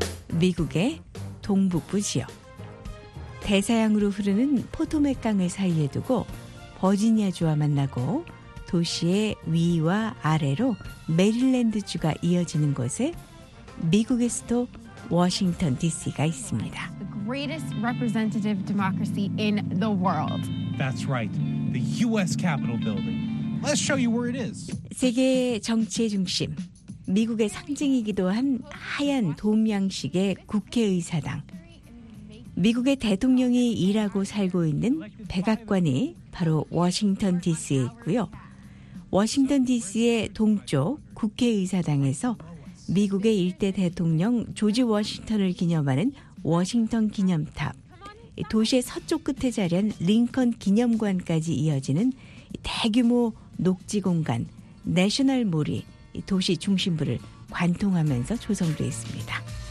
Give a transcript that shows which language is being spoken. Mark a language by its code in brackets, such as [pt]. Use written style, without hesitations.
[ko] 미국의 동북부 지역. 대서양으로 흐르는 포토맥강을 사이에 두고 버지니아주와 만나고 도시의 위와 아래로 메릴랜드주가 이어지는 곳에 미국의 수도 워싱턴 DC가 있습니다. [en] The greatest representative democracy in the world. That's right. The US Capitol building. Let's show you where it is. [ko] 세계 정치의 중심. 미국의 상징이기도 한 하얀 돔 양식의 국회의사당. 미국의 대통령이 일하고 살고 있는 백악관이 바로 워싱턴 DC에 있고요. 워싱턴 DC의 동쪽 국회의사당에서 미국의 일대 대통령 조지 워싱턴을 기념하는 워싱턴 기념탑, 도시의 서쪽 끝에 자리한 링컨 기념관까지 이어지는 대규모 녹지 공간, 내셔널 몰이 도시 중심부를 관통하면서 조성되어 있습니다.